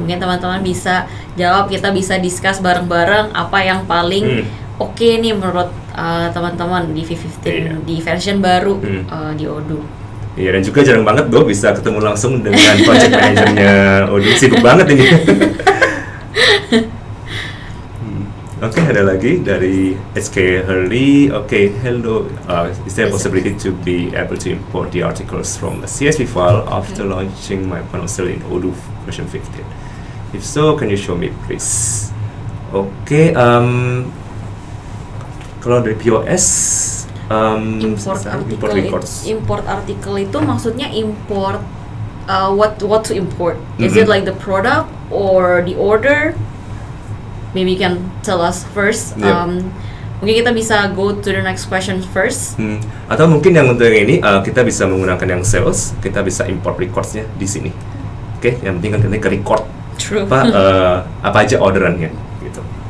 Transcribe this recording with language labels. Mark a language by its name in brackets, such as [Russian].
[Indonesian] Mungkin teman-teman bisa jawab, kita bisa discuss bareng-bareng apa yang paling oke nih menurut teman-teman di V15, di version baru di Odoo. Iya, dan juga jarang banget gue bisa ketemu langsung dengan project manager-nya Odoo. Sibuk banget ini. Oke, ada lagi dari SK Hurley. [English] Oke, hello. Is there a possibility to be able to import the articles from a CSV file after launching my point of sale in Odoo version 15? If so, can you show me, please? [Indonesian] Oke, kalau dari POS, [English] import records. Import article [Indonesian] itu maksudnya [English] import what to import? Is it like the product or the order? Maybe you can tell us first. Yep. [Indonesian] Mungkin kita bisa [English] go to the next question first. [Indonesian] Atau mungkin yang untuk yang ini kita bisa menggunakan yang sales, kita bisa import recordsnya di sini. Oke, okay? Yang penting kan kita ke record. [English] True. [Indonesian] Apa apa aja orderannya gitu.